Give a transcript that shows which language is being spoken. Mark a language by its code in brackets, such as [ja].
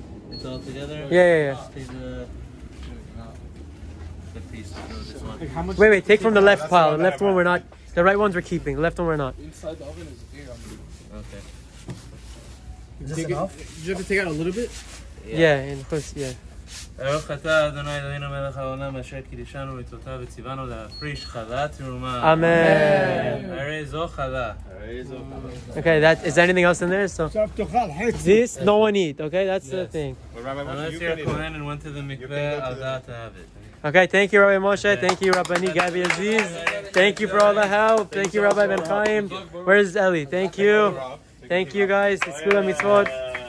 [en] It's all together? Yeah. The piece, so this one. Wait, take from the left pile. The left one we're not. The right ones we're keeping. The left one we're not. Inside the oven is here. Okay. Is this enough? Did you have to take out a little bit? Yeah, and of course, yeah. [he] ארוך אתה, אדוני אלוהינו מלך העולם, אשר קידשנו מצותיו וציוונו להפריש חלה תרומה. אמן. הרי זו חלה. [en] Okay, that is there anything else in there? So this, no one eat. Okay, that's the thing. Unless you're a Kohen and went to the mikveh, Allah to have it. Okay, thank you, Rabbi Moshe. Thank you, Rabbani Gabi Aziz. Thank you for all the help. Thank you, Rabbi Ben Haim. Where's Ellie? Thank you. Thank you, guys. It's good mitzvot.